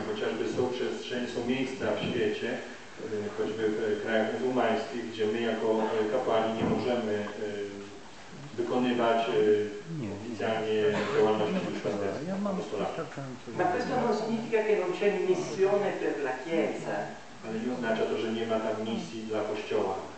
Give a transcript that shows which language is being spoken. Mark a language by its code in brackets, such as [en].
[pl] Chociażby są przestrzeni, są miejsca w świecie, choćby w krajach muzułmańskich, gdzie my jako kapłani nie możemy wykonywać oficjalnie działalności duszpasterskiej. [it] Ma questo non significa che non c'è missione per la Chiesa. [pl] Ale nie oznacza to, że nie ma tam misji dla Kościoła.